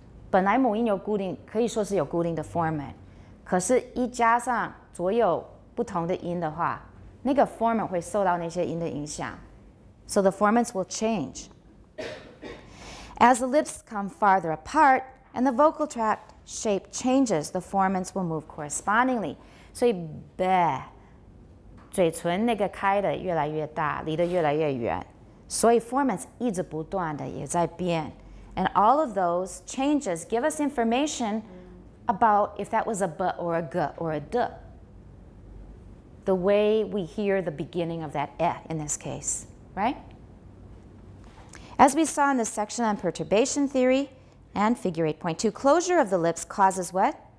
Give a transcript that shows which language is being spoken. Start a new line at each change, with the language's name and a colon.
Chinese: 本来母音有固定，可以说是有固定的 formant. 可是一加上左右不同的音的话，那个 formant 会受到那些音的影响。
English: So the formants will change. As the lips come farther apart and the vocal tract shape changes, the formants will move correspondingly.
Chinese: 所以 bah, 嘴唇那个开的越来越大，离得越来越远。所以 formants 一直不断的也在变。
English: And all of those changes give us information about if that was a b or a g or a d, the way we hear the beginning of that e in this case, right? As we saw in the section on perturbation theory and figure 8.2, closure of the lips causes what?